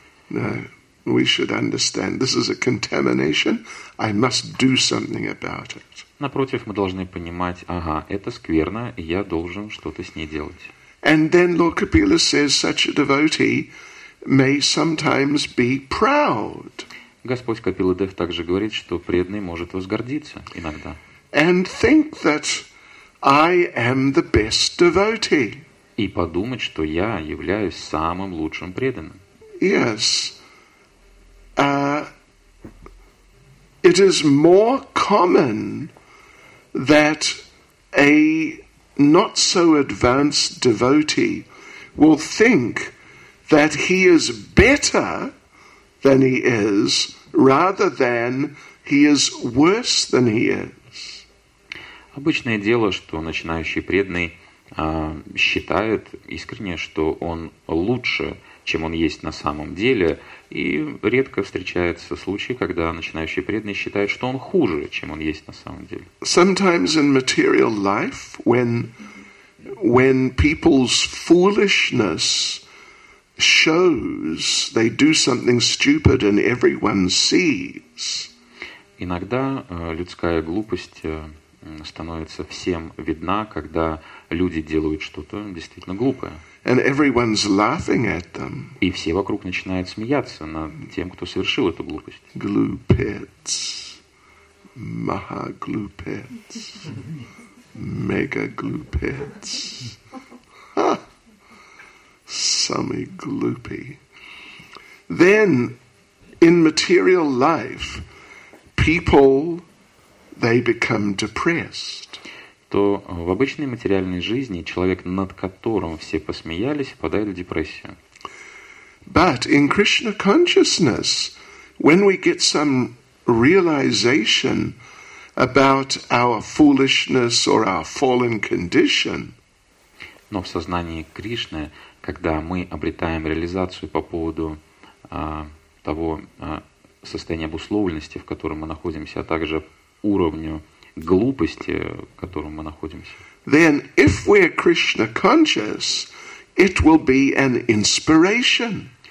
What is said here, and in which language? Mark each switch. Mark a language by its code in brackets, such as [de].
[en] No, we should understand this is a contamination. I must do something about it. [ru] Напротив, мы должны понимать, ага, это скверно, и я должен что-то с ней делать. [en] And then Lord Kapila says such a devotee may sometimes be proud. [ru] Господь Капила Дев также говорит, что преданный может возгордиться иногда. [en] And think that I am the best devotee. [ru] И подумать, что я являюсь самым лучшим преданным. [en] Yes. It is more common that a not so advanced devotee will think that he is better than he is, rather than he is worse than he is. [ru] Обычное дело, что начинающий преданный считает искренне, что он лучше, чем он есть на самом деле, и редко встречается случай, когда начинающий преданный считает, что он хуже, чем он есть на самом деле. [en] Sometimes in material life, when people's foolishness shows, they do something stupid and everyone sees. [ru] Иногда людская глупость становится всем видна, когда люди делают что-то действительно глупое. [en] And everyone's laughing at them. [ru] И все вокруг начинают смеяться над тем, кто совершил эту глупость. Глупец. Маха-глупец. Мега-глупец. Ха! Самый глупый. [en] Then, in material life, people... They become depressed. [ru] То в обычной материальной жизни человек, над которым все посмеялись, впадает в депрессию. [en] But in Krishna consciousness, when we get some realization about our foolishness or our fallen condition, [ru] но в сознании Кришны, когда мы обретаем реализацию по поводу того состояния обусловленности, в котором мы находимся, а также уровню глупости, в котором мы находимся. [en] Then, if we are Krishna conscious, it will be an inspiration.